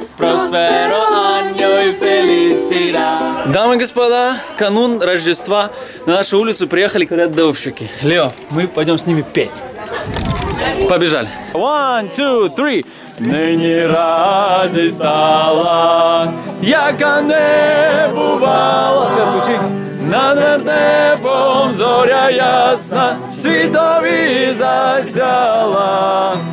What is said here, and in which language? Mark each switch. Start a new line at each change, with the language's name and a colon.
Spanish: Prospero año y felicidad!
Russian: Дамы и господа, канун Рождества. На нашу улицу приехали рядовщики. Лео, мы пойдем с ними петь. Побежали.
English: One, two, three!
Ukrainian: Нині радість стала, яка не бувала. На небом зоря ясна, світові засяла.